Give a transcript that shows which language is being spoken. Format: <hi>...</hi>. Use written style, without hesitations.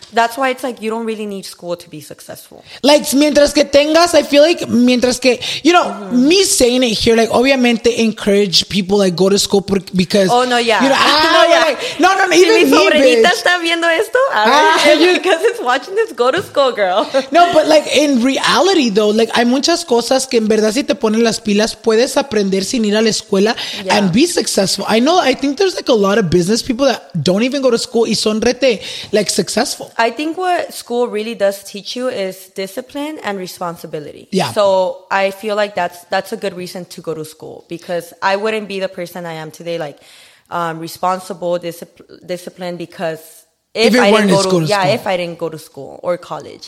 <en>That's why it's like you don't really need school to be successful. Like,</en> <es>mientras que tengas,</es> <en>I feel like mientras que, you know, me saying it here, like, obviamente encourage people like go to school because. Oh, no, yeah. You know, no, even</en> <es>si mi</es> <en>me,</en> <es>sobrinita está viendo esto,</es> <en>because it's watching this, go to school, girl. No, but like in reality though,</en> <es>like hay muchas cosas que en verdad si te ponen las pilas puedes aprender sin ir a la escuela</es> <en>and be successful. I know, I think there's like a lot of business people that don't even go to school</en> <es>y son rete</es> <en>like successful. I think what school really does teach you is discipline and responsibility. Yeah. So I feel like that's a good reason to go to school, because I wouldn't be the person I am today, like responsible, disciplined, because if I didn't go to school or college.</en>